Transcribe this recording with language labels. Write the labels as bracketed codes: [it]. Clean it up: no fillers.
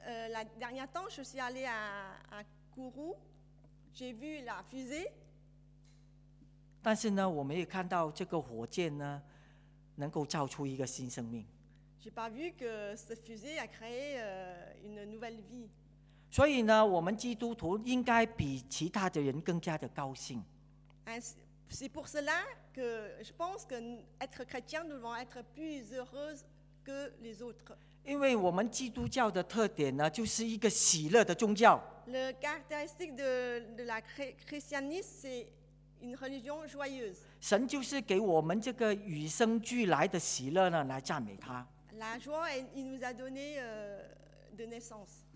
[fr] La dernière temps, je suis allé à Kourou, j'ai vu la fusée. [zh] 但是呢，我没有看到这个火箭呢，能够造出一个新生命。 [fr] J'ai pas vu que cette fusée a créé une nouvelle vie. [zh] 所以呢，我们基督徒应该比其他的人更加的高兴。 [fr] C'est pour cela que je pense que être chrétien, nous devons être plus heureux que les autres. [zh] 因为我们基督教的特点呢，就是一个喜乐的宗教。 [fr] La caractéristique de la christianisme, c'est une religion joyeuse. [zh] 神就是给我们这个与生俱来的喜乐呢，来赞美他。 [fr] La joie, il nous a donné de naissance.